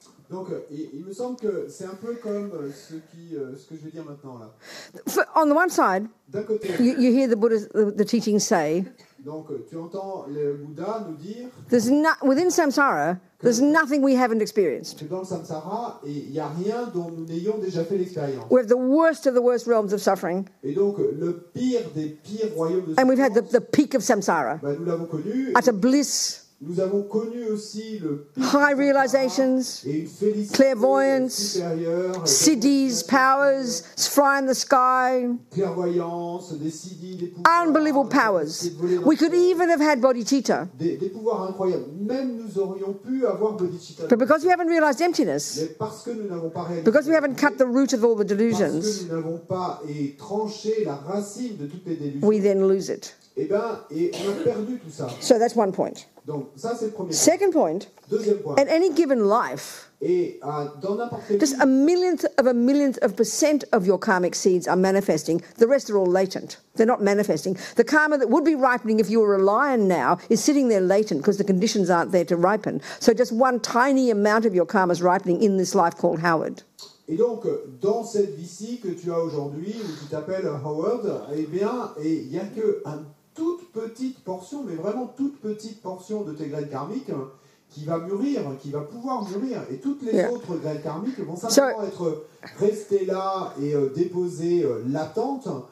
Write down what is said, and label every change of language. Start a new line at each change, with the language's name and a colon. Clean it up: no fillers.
French: Donc, il me semble que c'est un peu comme ce que je vais dire maintenant, là.
English: On the one side,
French: d'un côté,
English: you hear the Buddha's the teaching say,
French: donc, tu entends le Bouddha nous dire,
English: there's within samsara, there's nothing we haven't experienced.
French: Dans le samsara, il y a rien dont nous n'ayons déjà fait l'expérience.
English: We have the worst of the worst realms of suffering.
French: Et donc le pire des pires royaumes de souffrance.
English: And we've had the peak of samsara.
French: Ben, nous l'avons connu.
English: Utter bliss.
French: Nous avons connu aussi le pic
English: high realizations, clairvoyance, siddhis, powers, fly in the sky,
French: clairvoyance, des siddhis, des pouvoirs,
English: unbelievable powers. We could even have had bodhicitta.
French: Des pouvoirs incroyables. Même nous aurions pu avoir bodhicitta.
English: But because we haven't realized emptiness,
French: parce que nous n'avons pas réalisé,
English: because we haven't cut the root of all the delusions,
French: parce que nous n'avons pas tranché la racine de toutes les délusions,
English: we then lose it.
French: Eh ben, et on a perdu tout ça.
English: So that's one point.
French: Donc, ça, c'est le premier point.
English: Second point,
French: deuxième point,
English: at any given life,
French: et, dans n'importe
English: just
French: vie,
English: a millionth of percent of your karmic seeds are manifesting. The rest are all latent. They're not manifesting. The karma that would be ripening if you were a lion now is sitting there latent because the conditions aren't there to ripen. So just one tiny amount of your karma is ripening in this life called Howard.
French: Et donc, dans cette vie-ci que tu as aujourd'hui, où tu t'appelles Howard, eh bien, il n'y a que un toute petite portion, mais vraiment toute petite portion de tes graines karmiques qui va mûrir, qui va pouvoir mûrir. Et toutes les autres graines karmiques vont simplement être restées là et déposées latentes.